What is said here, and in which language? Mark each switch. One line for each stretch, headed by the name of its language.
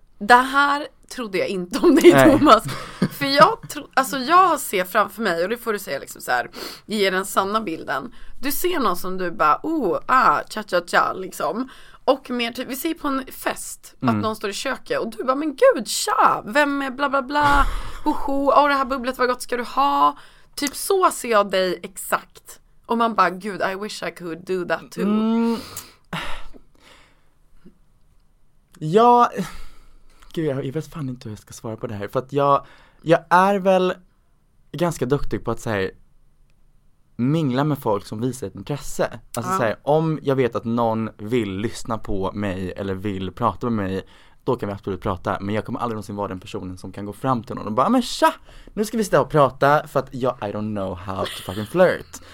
Swedish: Det här trodde jag inte om dig. Nej. Thomas. För jag tror, alltså jag ser framför mig, och det får du säga liksom så här, ge den sanna bilden. Du ser någon som du bara, cha cha cha liksom. Och mer typ, vi ser på en fest att någon står i köket och du bara, men gud, tja, vem är bla bla bla, hoho, oh, det här bubblet, vad gott ska du ha? Typ så ser jag dig exakt. Och man bara, gud,
English: I wish I could do that too. Mm.
Swedish: Ja, gud, jag vet fan inte hur jag ska svara på det här. För att jag är väl ganska duktig på att så här, mingla med folk som visar ett intresse. Alltså så här, om jag vet att någon vill lyssna på mig eller vill prata med mig, då kan vi absolut prata, men jag kommer aldrig någonsin vara den personen som kan gå fram till någon och bara, men tja, nu ska vi sitta och prata, för att jag,
English: I don't know how to fucking flirt.